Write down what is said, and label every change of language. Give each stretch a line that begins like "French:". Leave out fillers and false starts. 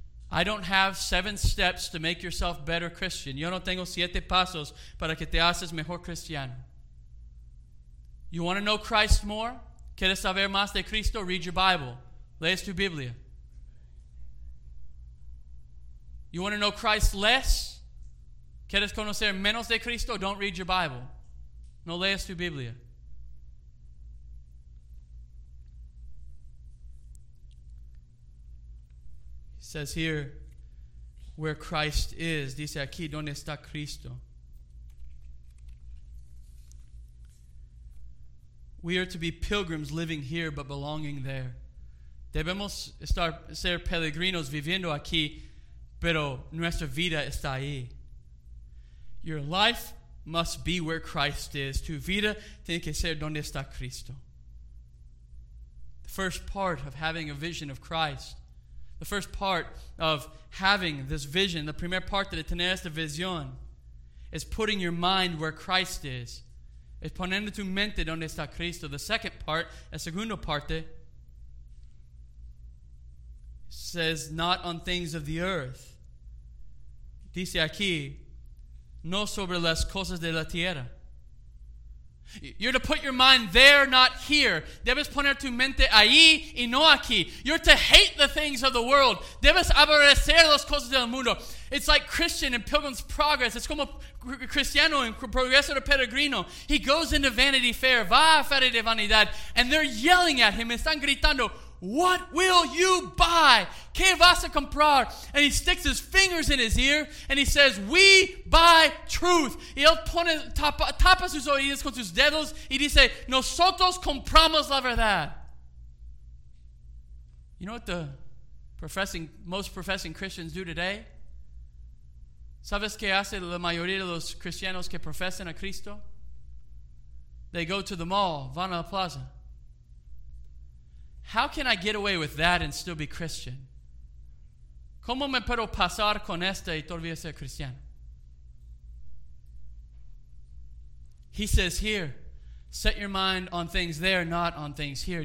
English: I don't have 7 steps to make yourself better Christian.
Spanish: Yo no tengo 7 pasos para que te haces mejor cristiano.
English: You want to know Christ more?
Spanish: ¿Quieres saber más de Cristo?
English: Read your Bible.
Spanish: Lees tu Biblia.
English: You want to know Christ less?
Spanish: ¿Quieres conocer menos de Cristo?
English: Don't read your Bible.
Spanish: No lees tu Biblia.
English: Says here where Christ is.
Spanish: Dice aquí donde está Cristo.
English: We are to be pilgrims living here but belonging there.
Spanish: Debemos estar ser peregrinos viviendo aquí, pero nuestra vida está ahí.
English: Your life must be where Christ is.
Spanish: Tu vida tiene que ser donde está Cristo.
English: The first part of having a vision of Christ. The first part of having this vision, the
Spanish: primer parte de tener esta visión,
English: is putting your mind where Christ is.
Spanish: Es poniendo tu mente donde está Cristo.
English: The second part,
Spanish: la segunda parte,
English: says not on things of the earth.
Spanish: Dice aquí, no sobre las cosas de la tierra.
English: You're to put your mind there, not here.
Spanish: Debes poner tu mente ahí y no aquí.
English: You're to hate the things of the world.
Spanish: Debes aborrecer las cosas del mundo.
English: It's like Christian in Pilgrim's Progress. It's
Spanish: como Cristiano
English: in Progreso de Peregrino. He goes into Vanity Fair,
Spanish: va a Feria de Vanidad,
English: and they're yelling at him.
Spanish: Están gritando,
English: what will you buy?
Spanish: ¿Qué vas a comprar?
English: And he sticks his fingers in his ear and he says, we buy truth.
Spanish: Y él pone, tapa sus oídos con sus dedos y dice, nosotros compramos la verdad.
English: You know what the most professing Christians do today?
Spanish: ¿Sabes qué hace la mayoría de los cristianos que profesan a Cristo?
English: They go to the mall,
Spanish: van a la plaza.
English: How can I get away with that and still be Christian?
Spanish: ¿Cómo me puedo pasar con esta y todavía ser cristiano?
English: He says here, set your mind on things there, not on things here.